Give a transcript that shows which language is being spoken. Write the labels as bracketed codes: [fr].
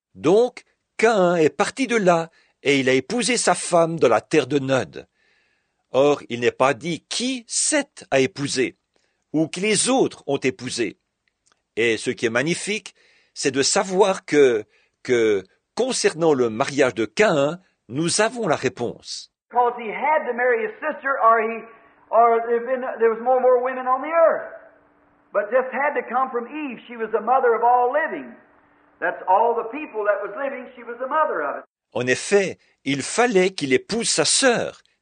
[fr] Donc, Cain est parti de là et il a épousé sa femme dans la terre de Nod. Or, il n'est pas dit qui Seth a épousé ou qui les autres ont épousé. Et ce qui est magnifique, c'est de savoir que concernant le mariage de Caïn, nous avons la réponse. [en] Because he had to marry his sister or there was more women on the earth. But just had to come from Eve. She was the mother of all living. That's all the people that was living, she was the mother of it. [fr] En effet, il fallait qu'il épouse sa sœur.